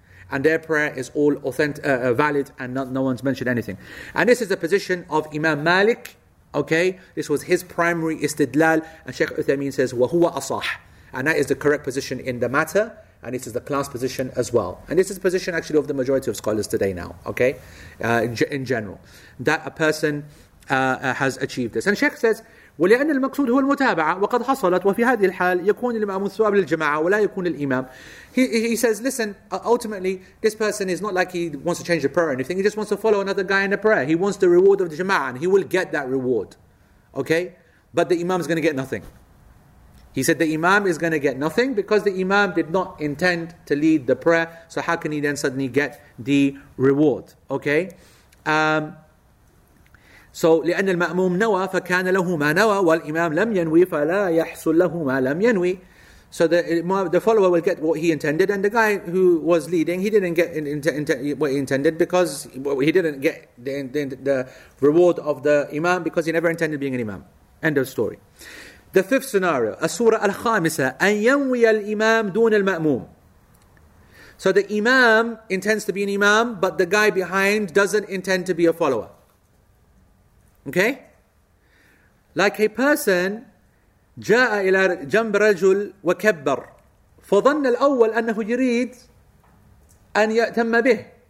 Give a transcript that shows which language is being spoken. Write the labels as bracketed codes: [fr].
[en] And their prayer is all authentic, valid, and no one's mentioned anything. And this is the position of Imam Malik, okay? This was his primary istidlal, and Sheikh Uthaymeen says, [ar] وَهُوَ أَصَحْ. [en] And that is the correct position in the matter, and this is the class position as well. And this is the position actually of the majority of scholars today now, okay? In general. That a person has achieved this. And Sheikh says, [ar] ولأن المقصود هو المتابعة وقد حصلت وفي هذه الحال يكون الإمام الثواب للجماعة ولا يكون الإمام. [en] He says, listen, ultimately this person is not like he wants to change the prayer or anything. He just wants to follow another guy in the prayer. He wants the reward of the jama'ah and he will get that reward. Okay? But the imam is going to get nothing. He said the imam is going to get nothing because the imam did not intend to lead the prayer. So how can he then suddenly get the reward? Okay. [ar] So لأن المأموم نوى فكان له ما نوى والإمام لم ينوي فلا يحصل له ما لم ينوي. [en] So the follower will get what he intended, and the guy who was leading, he didn't get what he intended because he didn't get the reward of the imam because he never intended being an imam. End of story. The fifth scenario, as-surah al-khamisa, [ar] أن ينوي الإمام دون المأموم. [en] So the imam intends to be an imam, but the guy behind doesn't intend to be a follower. Okay? Like a person [ar] جاء إلى جنب رجل وكبر فظن الأول أنه يريد أن يأتم به.